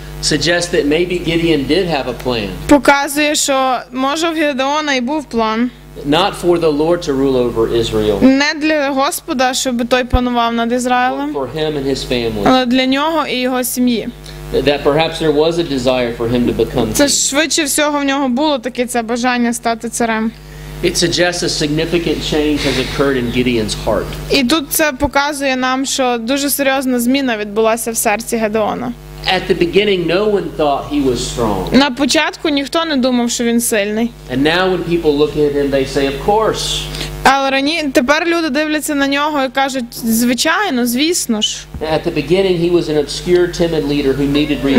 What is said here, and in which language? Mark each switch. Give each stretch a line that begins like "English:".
English: Suggests that maybe Gideon did have a plan.
Ukrainian: Показує, що може в Гедеона і був план.
English: Not for the Lord to rule over Israel.
Ukrainian: Не для Господа, щоб той панував над Ізраїлем.
English: But for him and his family.
Ukrainian: Але для нього і його сім'ї.
English: That perhaps there was a desire for him to become king.
Ukrainian: Це швидше всього в нього було таке це бажання стати царем.
English: It suggests a significant change has occurred in Gideon's heart.
Ukrainian: І тут це показує нам, що дуже серйозна зміна відбулася в серці Гедеона.
English: At the beginning, no one thought he was strong.
Ukrainian: На початку ніхто не думав, що він сильний.
English: And now when people look at him, they say, of course.
Ukrainian: Але тепер люди дивляться на нього і кажуть, звичайно, звісно ж.
English: At the beginning, he was an obscure, timid leader who needed reassurance.